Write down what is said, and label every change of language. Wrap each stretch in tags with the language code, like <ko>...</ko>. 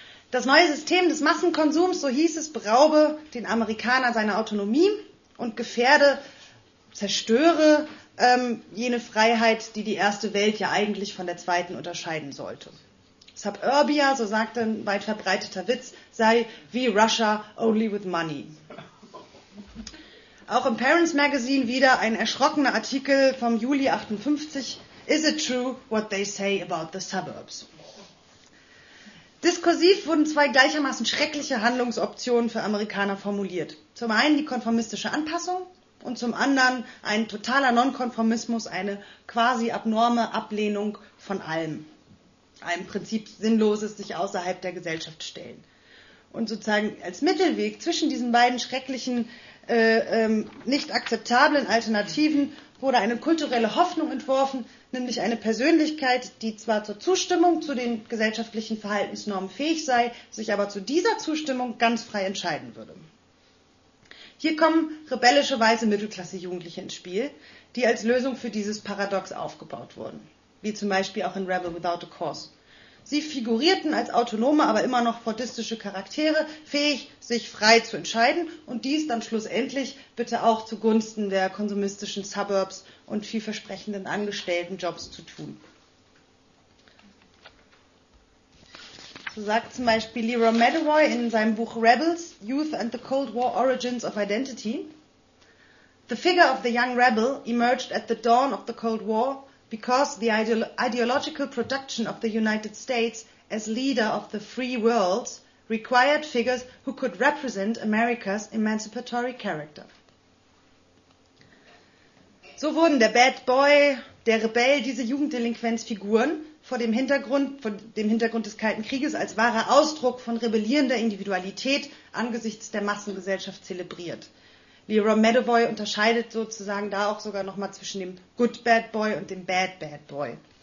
<de>Das neue System des Massenkonsums, so hieß es, beraube den Amerikaner seiner Autonomie und gefährde, zerstöre jene Freiheit, die die erste Welt ja eigentlich von der zweiten unterscheiden sollte. Suburbia, so sagt ein weit verbreiteter Witz, sei wie</de> <en>Russia only with money.</en> <de>Auch im Parents Magazine wieder ein erschrockener Artikel vom Juli 1958,</de> <en>Is it true what they say about the suburbs?</en> <de>Diskursiv wurden zwei gleichermaßen schreckliche Handlungsoptionen für Amerikaner formuliert. Zum einen die konformistische Anpassung und zum anderen ein totaler Nonkonformismus, eine quasi abnorme Ablehnung von allem. Ein Prinzip sinnloses, sich außerhalb der Gesellschaft stellen. Und sozusagen als Mittelweg zwischen diesen beiden schrecklichen, nicht akzeptablen Alternativen wurde eine kulturelle Hoffnung entworfen, nämlich eine Persönlichkeit, die zwar zur Zustimmung zu den gesellschaftlichen Verhaltensnormen fähig sei, sich aber zu dieser Zustimmung ganz frei entscheiden würde. Hier kommen rebellische weiße Mittelklasse-Jugendliche ins Spiel, die als Lösung für dieses Paradox aufgebaut wurden, wie zum Beispiel auch in Rebel Without a Cause. Sie figurierten als autonome, aber immer noch fordistische Charaktere, fähig, sich frei zu entscheiden und dies dann schlussendlich bitte auch zugunsten der konsumistischen Suburbs und vielversprechenden angestellten Jobs zu tun. So sagt zum Beispiel Leroy Medawoy in seinem Buch</de> <en>Rebels, Youth and the Cold War Origins of Identity: "The figure of the young rebel emerged at the dawn of the Cold War because the ideological production of the United States as leader of the free world required figures who could represent America's emancipatory character."</en> <de>So wurden der Bad Boy, der Rebell, diese Jugenddelinquenzfiguren vor dem Hintergrund des Kalten Krieges als wahrer Ausdruck von rebellierender Individualität angesichts der Massengesellschaft zelebriert. Leroy Medawoy unterscheidet sozusagen da auch sogar nochmal zwischen dem Good Bad Boy und dem Bad Bad Boy.</de>